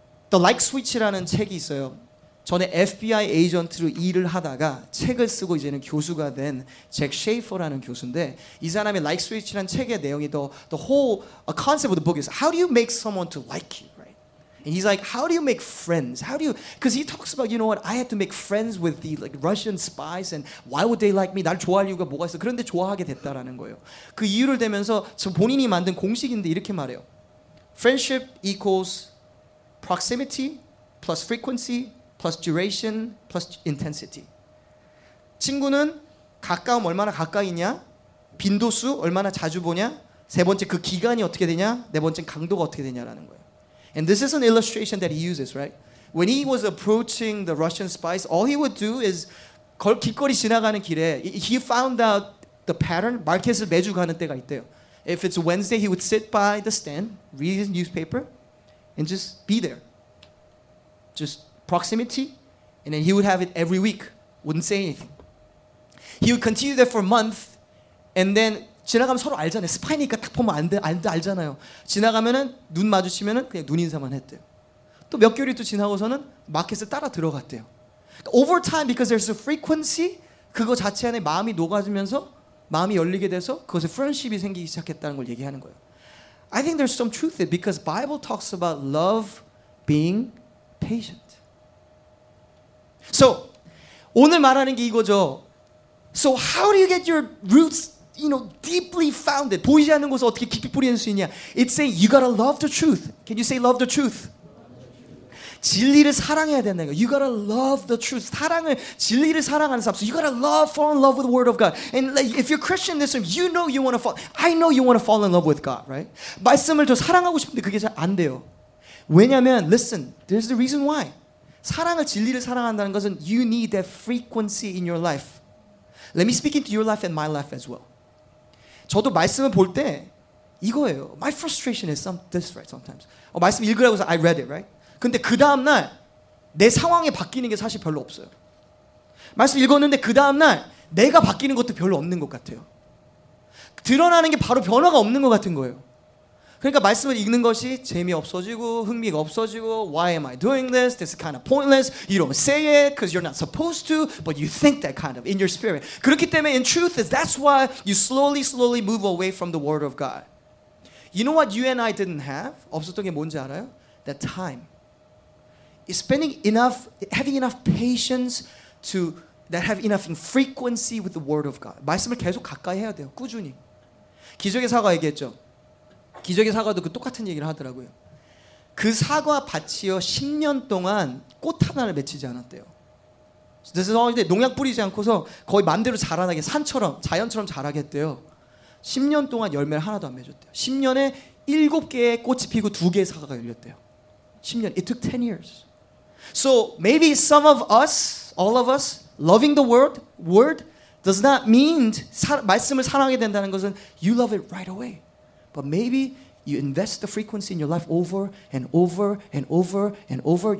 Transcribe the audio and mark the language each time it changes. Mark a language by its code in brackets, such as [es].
[ko] The Like Switch라는 책이 있어요. 전에 FBI 에이전트로 일을 하다가 책을 쓰고 이제는 교수가 된 잭 셰이퍼라는 교수인데 이 사람의 Like Switch라는 책의 내용이 [en] the whole concept of the book is how do you make someone to like you, right? And he's like, how do you make friends? How do you? Because he talks about, you know what? I had to make friends with the like Russian spies and why would they like me? [ko] 날 좋아할 이유가 뭐가 있어? 그런데 좋아하게 됐다라는 거예요. 그 이유를 대면서 저 본인이 만든 공식인데 이렇게 말해요. [en] Friendship equals proximity plus frequency plus duration, plus intensity. [ko] 친구는 가까움 얼마나 가까이냐, 빈도수 얼마나 자주 보냐, 세 번째 그 기간이 어떻게 되냐, 네 번째 강도가 어떻게 되냐라는 거예요. [en] And this is an illustration that he uses, right? When he was approaching the Russian spies, all he would do is [ko] 길거리 지나가는 길에 [en] he found out the pattern, [ko] 마켓을 매주 가는 때가 있대요. [en] If it's Wednesday, he would sit by the stand, read his newspaper, and just be there. Just proximity, and then he would have it every week, wouldn't say anything. He would continue that for a month, and then [ko] 지나가면 서로 알잖아요. 스파이니까 딱 보면 알잖아요. 지나가면은 눈 마주치면은 그냥 눈 인사만 했대요. 또 몇 개월이 또 지나고서는 마켓을 따라 들어갔대요. [en] Over time, because there's a frequency, [ko] 그거 자체 안에 마음이 녹아지면서 마음이 열리게 돼서 그것에 friendship이 생기기 시작했다는 걸 얘기하는 거예요. [en] I think there's some truth there because Bible talks about love being patient. [ko] So, 오늘 말하는 게 이거죠. [en] So, how do you get your roots, you know, deeply founded? [ko] 보이지 않는 곳에서 어떻게 깊이 뿌리낼 수 있냐? [en] It's saying, you gotta love the truth. Can you say love the truth? [ko] 진리를 사랑해야 된다는 거예요. [en] You gotta love the truth. [ko] 사랑을, 진리를 사랑하는 삶. [en] So, you gotta love, fall in love with the Word of God. And like, if you're Christian this time, you know you wanna fall, I know you wanna fall in love with God, right? [ko] 말씀을 더 사랑하고 싶은데 그게 잘 안 돼요. 왜냐면, [en] listen, there's the reason why. [ko] 사랑을 진리를 사랑한다는 것은 [en] you need that frequency in your life. Let me speak into your life and my life as well. [ko] 저도 말씀을 볼 때 이거예요. [en] My frustration is this right sometimes. [ko] 말씀 읽으라고서 [en] I read it, right? [ko] 근데 그 다음 날 내 상황이 바뀌는 게 사실 별로 없어요. 말씀 읽었는데 그 다음 날 내가 바뀌는 것도 별로 없는 것 같아요. 드러나는 게 바로 변화가 없는 것 같은 거예요. 그러니까 말씀을 읽는 것이 재미없어지고 흥미가 없어지고 [en] why am I doing this? This is kind of pointless. You don't say it because you're not supposed to, but you think that kind of in your spirit. [ko] 그렇기 때문에 [en] in truth is that's why you slowly, slowly move away from the word of God. You know what you and I didn't have? [ko] 없었던 게 뭔지 알아요? [en] That time. Spending enough, having enough patience to, that have enough frequency with the word of God. [ko] 말씀을 계속 가까이 해야 돼요. 꾸준히. 기적의 사과 얘기했죠. 기적의 사과도 그 똑같은 얘기를 하더라고요. 그 사과 밭이요 10년 동안 꽃 하나를 맺히지 않았대요. 그래서 농약 뿌리지 않고서 거의 마음대로 자라나게 산처럼 자연처럼 자라게 했대요. 10년 동안 열매를 하나도 안 맺었대요. 10년에 7개의 꽃이 피고 2개의 사과가 열렸대요. 10년. [en] It took 10 years. So maybe some of us, all of us, loving the word does not mean [ko] 말씀을 사랑하게 된다는 것은 [en] you love it right away. But maybe you invest the frequency in your life over and over and over and over.